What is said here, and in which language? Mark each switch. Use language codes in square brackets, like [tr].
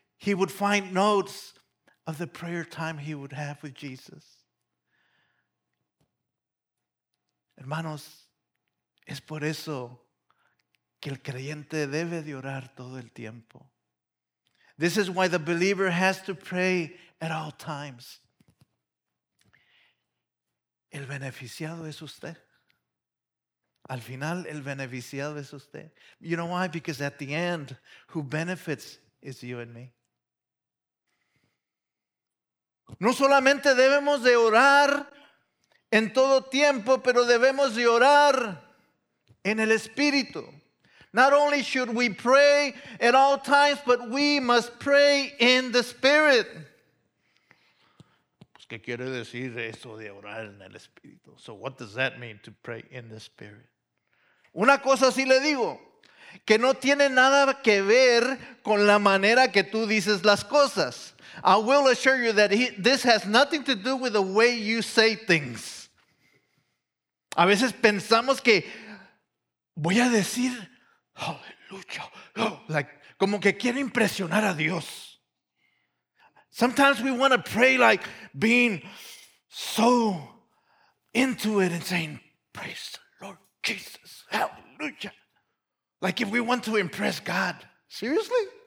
[en] He would find notes of the prayer time he would have with Jesus. [es] Hermanos, es por eso que el creyente debe de orar todo el tiempo. [en] This is why the believer has to pray at all times. [es] El beneficiado es usted. Al final, el beneficiado es usted. [en] You know why? Because at the end, who benefits is you and me. [es] No solamente debemos de orar en todo tiempo, pero debemos de orar en el Espíritu. [en] Not only should we pray at all times, but we must pray in the Spirit. [es] Pues, ¿qué quiere decir eso de orar en el Espíritu? [en] So what does that mean to pray in the Spirit? [es] Una cosa sí le digo, que no tiene nada que ver con la manera que tú dices las cosas. [en] I will assure you that this has nothing to do with the way you say things. [es] A veces pensamos que voy a decir aleluya, like como que quiero impresionar a Dios. [en] Sometimes we want to pray like being so into it and saying praise the Lord Jesus, hallelujah, like if we want to impress God. Seriously?